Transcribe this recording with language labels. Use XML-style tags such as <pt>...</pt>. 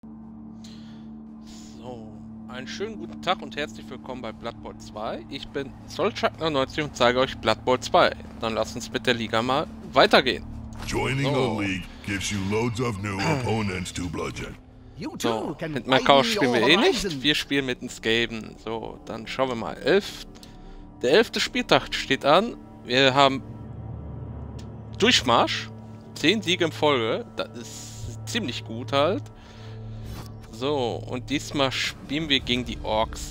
<de>Einen schönen guten Tag und herzlich willkommen bei Blood Bowl 2. Ich bin Zollchuckner90 und zeige euch Blood Bowl 2. Dann lasst uns mit der Liga mal weitergehen.</de> <en>Joining the league gives you loads of new opponents to bludgeon. You too can</en> <de>mit Macau spielen wir eh nicht. Wir spielen mit den Skaven. So, dann schauen wir mal. Der 11. Spieltag steht an. Wir haben Durchmarsch. 10 Siege in Folge. Das ist ziemlich gut halt. So, und diesmal spielen wir gegen die Orks.</de>